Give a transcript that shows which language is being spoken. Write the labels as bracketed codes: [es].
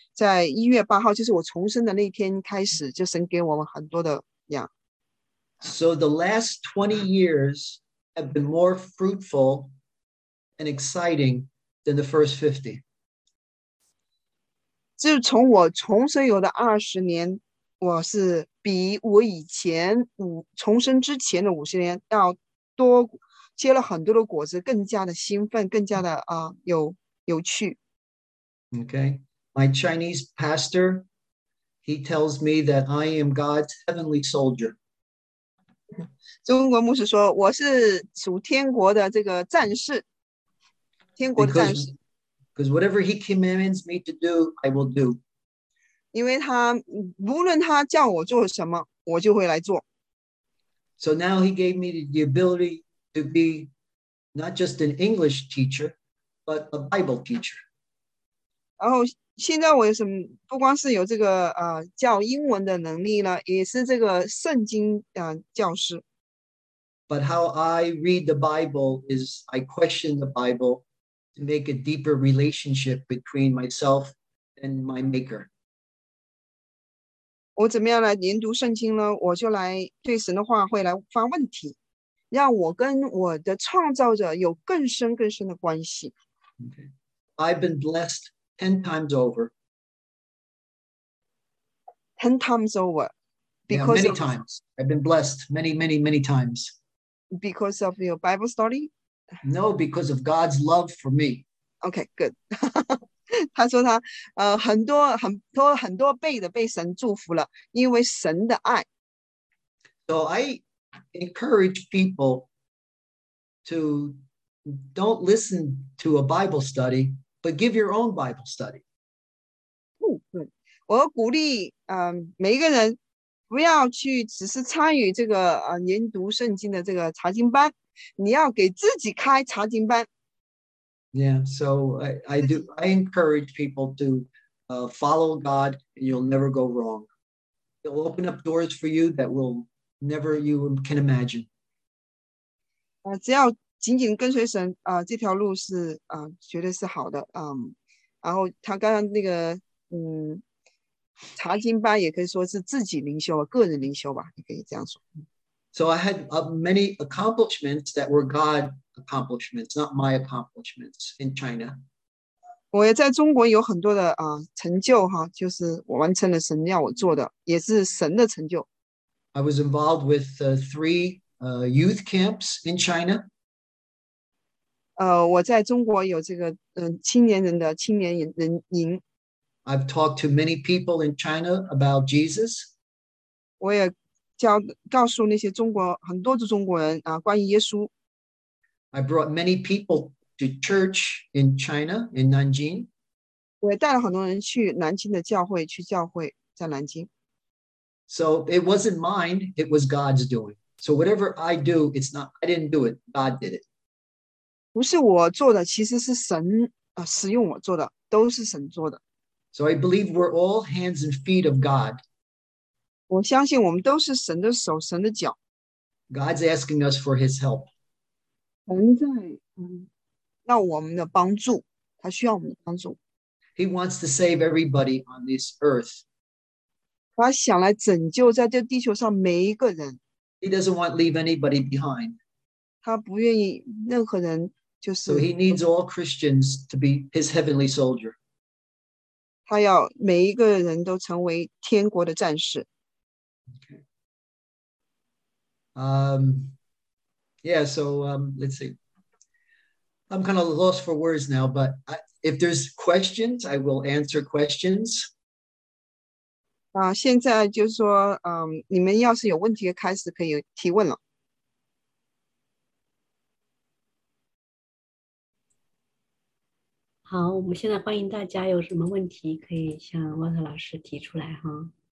[zh] 在1月8号就是我重生的那天开始就神给我们很多的样。 [en] Yeah. So the last 20 years have been more fruitful and exciting than the first 50. [zh] 自从我重生有的20年，我是比我以前重生之前的50年要多结了很多的果子，更加的兴奋，更加的有趣。 [en] Okay, my Chinese pastor, he tells me that I am God's heavenly soldier. [zh] 中国牧师说我是属天国的这个战士天国的战士 [en] because whatever he commands me to do I will do [zh] 因为他无论他叫我做什么我就会来做 [en] So now he gave me the ability to be not just an English teacher, but a Bible teacher. [zh] 然后现在我有什么不光是有这个教英文的能力了，也是这个圣经教师。 [en] But how I read the Bible is I question the Bible to make a deeper relationship between myself and my maker. [zh] 我怎么样来研读圣经呢？我就来对神的话会来发问题，让我跟我的创造者有更深更深的关系。 [en] Okay. I've been blessed 10 times over. 10 times over. Because yeah, many times. I've been blessed many, many, many times. Because of your Bible study? No, because of God's love for me. Okay, good. [zh] 他说他很多很多很多倍的被神祝福了，因为神的爱。 [en] So I encourage people to don't listen to a Bible study, but give your own Bible study. [zh] 我鼓励每一个人不要去只是参与这个研读圣经的这个查经班，你要给自己开查经班。 [en] Yeah, so I encourage people to follow God and you'll never go wrong. It'll open up doors for you that will never you can imagine. [zh] 只要紧紧跟随神这条路是绝对是好的。然后他刚刚那个查经班也可以说是自己灵修个人灵修吧，你可以这样说。 [en] So I had many accomplishments that were God accomplishments, not my accomplishments in China. [zh] 我也在中国有很多的成就哈，就是我完成了神要我做的，也是神的成就。 [en] I was involved with three youth camps in China. [zh] 我在中国有这个青年人的青年人营。 [en] I've talked to many people in China about Jesus. [zh] 我也告诉那些中国很多的中国人关于耶稣。 [en] I brought many people to church in China, in Nanjing. [zh] 我也带了很多人去南京的教会，去教会在南京。 [en] So it wasn't mine, it was God's doing. So whatever I do, it's not, I didn't do it, God did it. [zh] 不是我做的，其实是神使用我做的，都是神做的。 [en] So I believe we're all hands and feet of God. [zh] 我相信我们都是神的手，神的脚。 [en] God's asking us for his help. [zh] 神在要我们的帮助，他需要我们的帮助。 [en] He wants to save everybody on this earth. [zh] 他想来拯救在这地球上每一个人。 [en] He doesn't want to leave anybody behind. [zh] 他不愿意任何人就是。 [en] So he needs all Christians to be his heavenly soldier. [zh] 他要每一个人都成为天国的战士。 [en] Okay. Yeah, so let's see. I'm kind of lost for words now, but if there's questions, I will answer questions. [zh] 现在就是说你们要是有问题开始可以提问了。好，我们现在欢迎大家有什么问题可以向沃特老师提出来哈。